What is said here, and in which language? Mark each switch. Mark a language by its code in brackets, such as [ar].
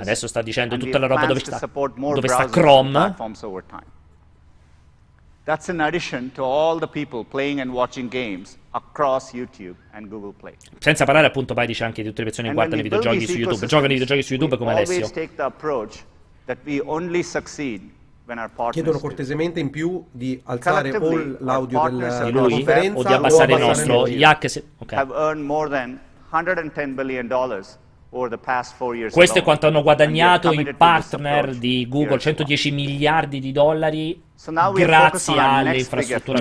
[it] Adesso sta dicendo tutta la roba dove sta Chrome. [en] That's in addition to all the people playing and watching games across YouTube and Google Play. [it] Senza parlare appunto poi dice anche di tutte le persone che guardano i videogiochi su YouTube, giocano i videogiochi su YouTube come Alessio. [en] Always take the approach that we only succeed when our partners. [it] Chiedono cortesemente in più di alzare o l'audio di lui o di abbassare il nostro. [en] Have earned more than $110 billion. [it] Questo è quanto hanno guadagnato i partner di Google, 110 miliardi di dollari grazie alle infrastrutture